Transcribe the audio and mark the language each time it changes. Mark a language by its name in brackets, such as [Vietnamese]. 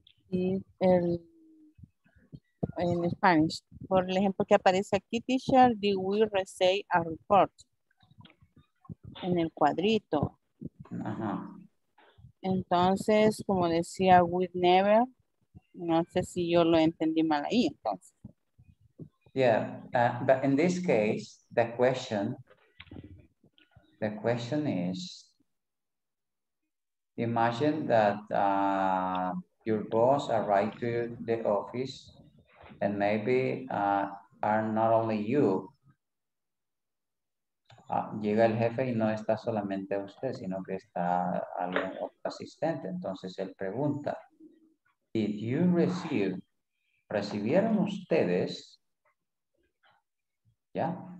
[Spanish] Y el... En Spanish. por el ejemplo que aparece aquí, teacher, [English] did we receive a report? [Spanish] En el cuadrito. Ajá. Entonces, como decía, [English] we never, [Spanish] no sé si yo lo entendí mal ahí, entonces. [English] Yeah, but in this case, the question is, imagine that your boss arrived to the office and maybe are not only you. [Spanish] Llega el jefe y no está solamente usted, sino que está algún asistente. Entonces él pregunta, [English] did you receive, [Spanish] ¿recibieron ustedes? ¿Ya?